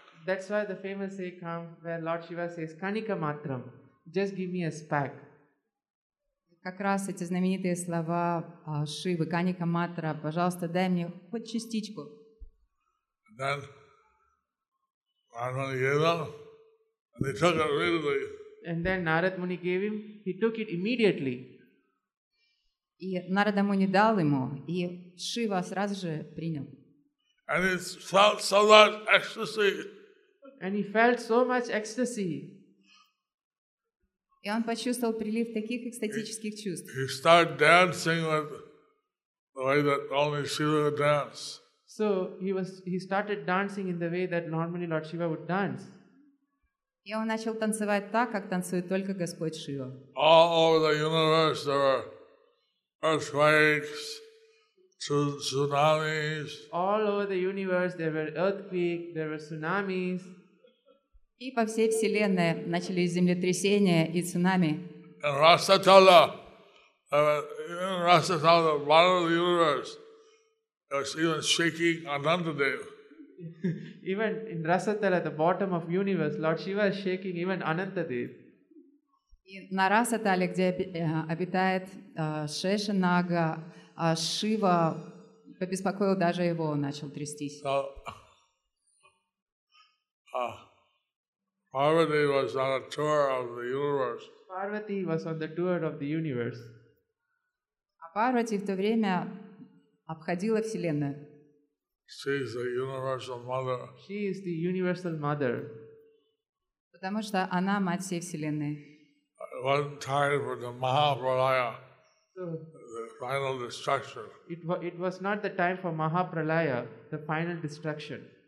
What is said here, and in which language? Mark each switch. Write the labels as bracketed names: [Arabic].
[English] That's why the famous saying comes where Lord Shiva says, "Kanika Matra." Just give me a speck. [Russian] Как раз эти знаменитые слова Шивы, Каника Матра, пожалуйста, дай мне хоть частичку. [English] Then, Narada Muni gave them, and they took it immediately. And then Narada Muni gave him, he took it immediately. [Russian] И Нарада Муни дал ему, и Шива сразу же принял. [English] And he felt so much ecstasy. And he felt so much ecstasy. [Russian] И он почувствовал прилив таких экстатических чувств. [English] He started dancing with the way that only Shiva would dance. So he started dancing in the way that normally Lord Shiva would dance. [Russian] И он начал танцевать так, как танцует только Господь Шива. [English] All over the universe there were earthquakes, tsunamis. All over the universe there were earthquakes, there were tsunamis. [Russian] И по всей вселенной начались землетрясения и цунами. [English] In Rasatala, in Rasatala, the bottom of the universe, it was even shaking Anantadev. Even in Rasatala, the bottom of the universe, Lord Shiva is shaking even Anantadev. [Russian] На Расатале, где обитает Шешанага, Шива побеспокоил даже его, он начал трястись. [English] Parvati was on a tour of the universe. Parvati was on the tour of the universe. [Russian] А Парвати в то время обходила вселенную. [English] She is the universal mother. She is the universal mother. [Russian] Потому что она мать всей вселенной. [English] It wasn't time for the Mahapralaya, the final destruction. It was not the time for Mahapralaya, the final destruction.